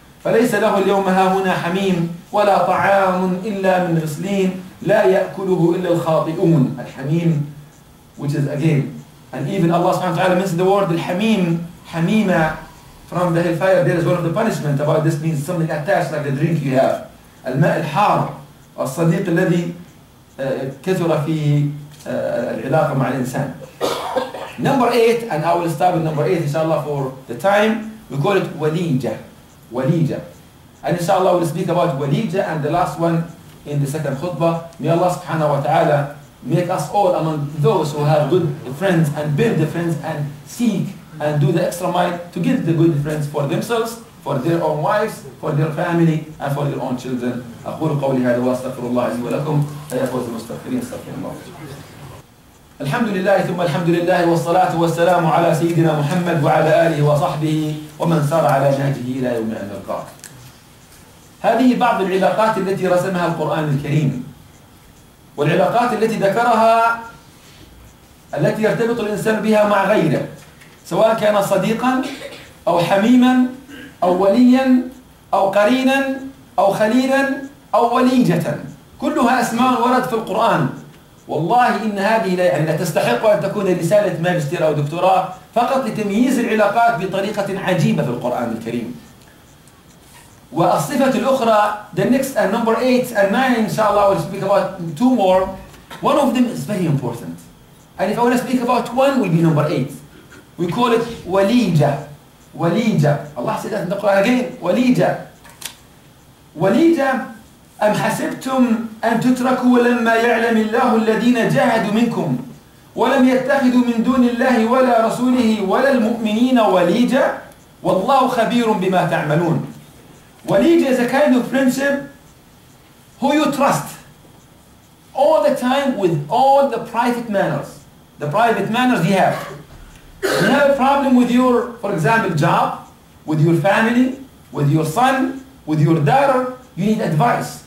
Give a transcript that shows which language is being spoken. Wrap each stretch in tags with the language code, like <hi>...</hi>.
<ar>فَلَيْسَ لَهُ الْيَوْمَ هَا هُنَا حَمِيمٌ وَلَا طَعَامٌ إِلَّا مِنْ غِسْلِينَ لَا يَأْكُلُهُ إِلَّا الْخَاطِئُونَ.</ar> <en>Al-Hamim, which is again, and even Allah subhanahu wa ta'ala mentions the word Al-Hamim, Hamima, from the hellfire. There is one of the punishment about this means something attached like the drink you have.</en> <ar>Al-Ma al-Har. الصديق الذي كثر فيه العلاقة مع الإنسان.</ar> <en>Number 8, and I will start with number 8 inshallah for the time. We call it Walijah. Walijah. And inshallah we'll speak about Walijah and the last one in the second khutbah. May Allah subhanahu wa ta'ala make us all among those who have good friends and build the friends and seek and do the extra mile to get the good friends for themselves, for their own wives, for their family, and for their own children.</en> <ar>أقول قولي هذا وأستغفر الله لي ولكم فيفوز المستغفرين استغفر الله. الحمد لله ثم الحمد لله والصلاة والسلام على سيدنا محمد وعلى آله وصحبه ومن سار على نهجه إلى يوم أن نلقاه. هذه بعض العلاقات التي رسمها القرآن الكريم والعلاقات التي ذكرها التي يرتبط الإنسان بها مع غيره سواء كان صديقا أو حميما أو وليا أو قرينا أو خليلا أو وليجة. كلها أسماء ورد في القرآن. والله إن هذه لا تستحق أن تكون رسالة ماجستير أو دكتوراه فقط لتمييز العلاقات بطريقة عجيبة في القرآن الكريم. والصفة الأخرى</ar> <en>the next and number 8 and 9 إن شاء الله I will speak about two more. One of them is very important. And if I want to speak about one will be number 8. We call it وليجة. وليجة.</en> <ar>الله سيدة في القرآن</ar> <en>again.</en> <ar>وليجة. وليجة. أم حسبتم أن تتركوا لما يعلم الله الذين جاهدوا منكم ولم يتخذوا من دون الله ولا رسوله ولا المؤمنين وليجة والله خبير بما تعملون.</ar> <en>وليجة is a kind of friendship who you trust all the time with all the private manners. The private manners you have. You have a problem with your, for example, job, with your family, with your son, with your daughter. You need advice.</en>